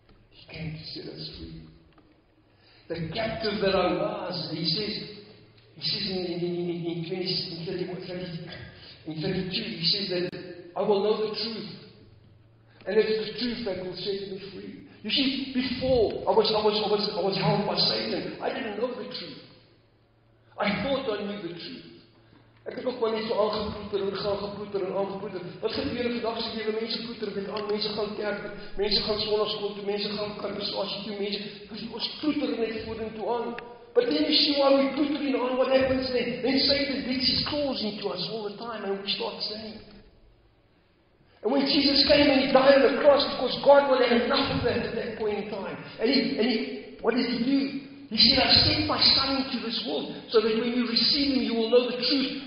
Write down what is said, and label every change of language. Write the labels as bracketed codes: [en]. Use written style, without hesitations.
[en] He came to set us free. The captive that I was, he says in 32, he says that I will know the truth. And it's the truth that will set me free. You see, before I was held by Satan, I didn't know the truth. I thought I knew the truth. [af] Ek het ook wel net so aangeploeter en gaan geploeter en aangeploeter. Wat gebeur in vandag se lewe? Mense ploeter met aan, mense gaan kerk, mense gaan sonnaskool toe, mense gaan kerkassie toe, mense, dis ons ploeter net vorentoe toe aan. [en] But then you see why we ploeter in on, what happens then? Then Satan beats his claws into us all the time and we start saying. And when Jesus came and he died on the cross, because God will have enough of that at that point in time. And he, what did he do? He said, I sent my son into this world so that when you receive him, you will know the truth.